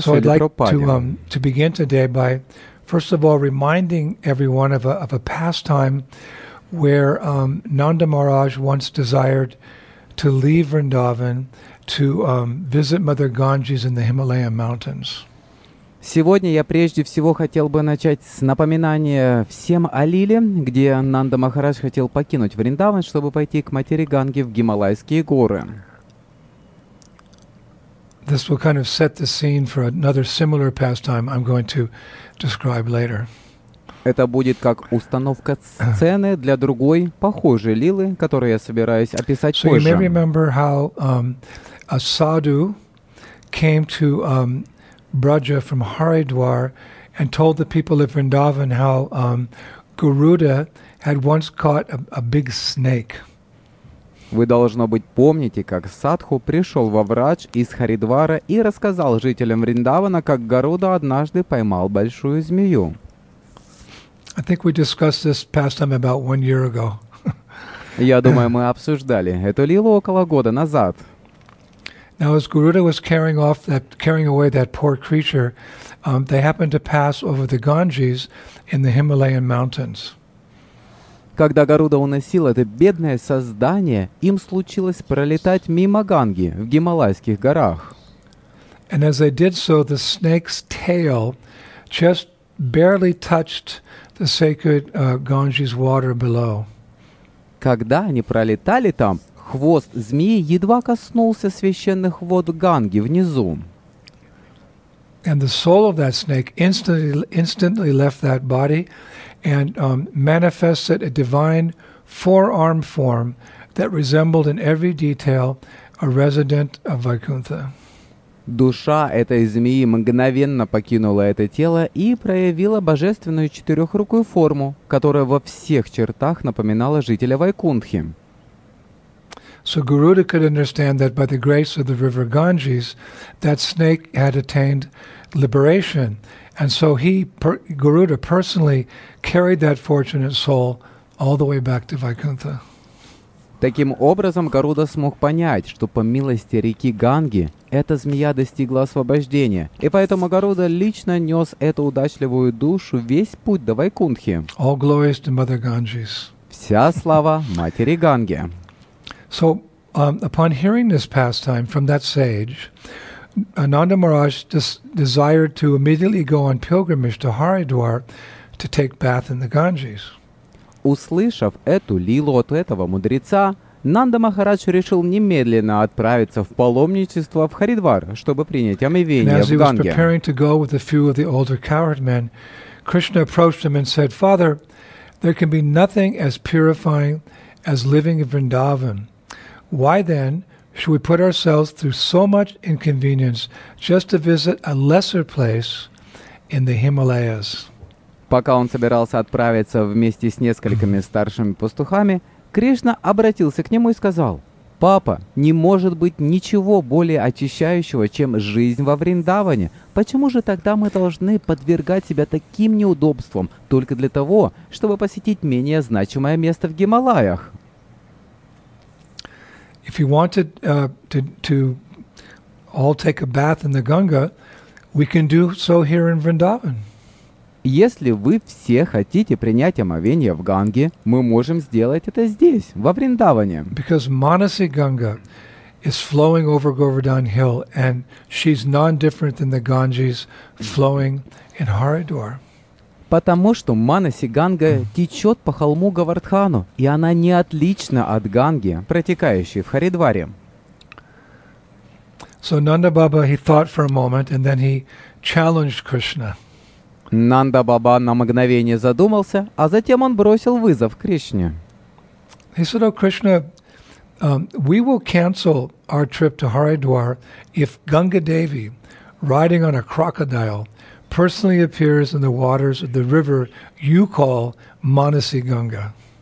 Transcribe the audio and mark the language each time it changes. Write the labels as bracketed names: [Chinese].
[English] Шрила Прабхупаде. So I'd like to begin today by, first of all, reminding everyone of a pastime where Nanda Maharaj once desired to leave Vrindavan to visit Mother Ganges in the Himalaya mountains. [Russian] Сегодня я прежде всего хотел бы начать с напоминания всем о Лиле, где Нанда Махарадж хотел покинуть Вриндаван, чтобы пойти к матери Ганге в Гималайские горы. [English] This will kind of set the scene for another similar pastime I'm going to describe later. [Russian] Это будет как установка сцены для другой похожей Лилы, которую я собираюсь описать позже. [English] So you may remember how a sadhu came to Braja from Haridwar and told the people of Vrindavan how Garuda had once caught a big snake. [Russian] Вы, должно быть, помните, как садху пришел во Врадж из Харидвара и рассказал жителям Вриндавана, как Гаруда однажды поймал большую змею. [English] I think we discussed this pastime about 1 year ago. [Russian] Я думаю, мы обсуждали эту лилу около года назад. [English] Now, as Garuda was carrying away that poor creature, they happened to pass over the Ganges in the Himalayan mountains. [Russian] Когда Гаруда уносил это бедное создание, им случилось пролетать мимо Ганги в Гималайских горах. [English] And as they did so, the snake's tail just barely touched the sacred Ganges water below. [Russian] Когда они пролетали там, хвост змеи едва коснулся священных вод Ганги внизу. [English] And the soul of that snake instantly left that body and manifested a divine forearm form that resembled in every detail a resident of Vaikuntha. [Russian] Душа этой змеи мгновенно покинула это тело и проявила божественную четырехрукую форму, которая во всех чертах напоминала жителя Вайкунтхи. [English] So Garuda could understand that by the grace of the river Ganges, that snake had attained liberation. And so Garuda personally carried that fortunate soul all the way back to Vaikuntha. [Russian] Таким образом, Гаруда смог понять, что по милости реки Ганги эта змея достигла освобождения. И поэтому Гаруда лично нес эту удачливую душу весь путь до Вайкунтхи. [English] All glories to Mother Ganges. [Russian] Вся слава матери Ганге. [English] So, upon hearing this pastime from that sage, Ananda Maharaj desired to immediately go on pilgrimage to Haridwar to take bath in the Ganges. [Russian] Услышав эту лилу от этого мудреца, Нанда Махарадж решил немедленно отправиться в паломничество в Харидвар, чтобы принять омовение в Ганге. [English] And as he was preparing to go with a few of the older coward men, Krishna approached him and said, "Father, there can be nothing as purifying as living in Vrindavan. Why then should we put ourselves through so much inconvenience just to visit a lesser place in the Himalayas?" [Russian] Пока он собирался отправиться вместе с несколькими старшими пастухами, Кришна обратился к нему и сказал, Папа, не может быть ничего более очищающего, чем жизнь во Вриндаване. Почему же тогда мы должны подвергать себя таким неудобствам только для того, чтобы посетить менее значимое место в Гималаях? [English] If you wanted to all take a bath in the Ganga, we can do so here in Vrindavan. [Russian] Если вы все хотите принять омовение в Ганге, мы можем сделать это здесь, во Вриндаване. [English] Because Manasi Ganga is flowing over Govardhan Hill, and she's non-different than the Ganges flowing in Haridwar. [Russian] Потому что Манаси Ганга течет по холму Говардхану, и она не отлична от Ганги, протекающей в Харидваре. [English] So Nanda Baba, he thought for a moment, and then he challenged Krishna. [Russian] Нанда Баба на мгновение задумался, а затем он бросил вызов Кришне. [English] He said, "Oh Krishna, we will cancel our trip to Haridwar if Ganga Devi, riding on a crocodile, personally appears in the waters of the river you call Manasi Ganga."